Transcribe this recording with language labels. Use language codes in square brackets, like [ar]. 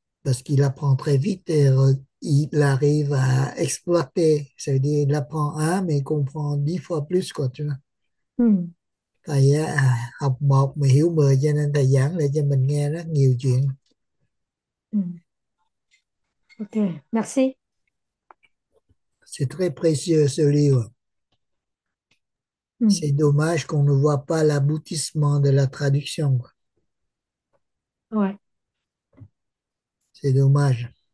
[fr] Parce qu'il apprend très vite et il arrive à exploiter. Ça veut dire qu'il apprend un, mais il comprend 10 fois plus, quoi, tu vois. [vi] Thầy học 1 mà hiểu 10, cho nên thầy giảng lại cho mình nghe rất nhiều chuyện. [fr] Ok, merci. C'est très précieux ce livre. C'est dommage qu'on ne voit pas l'aboutissement de la traduction. Ouais. C'est dommage.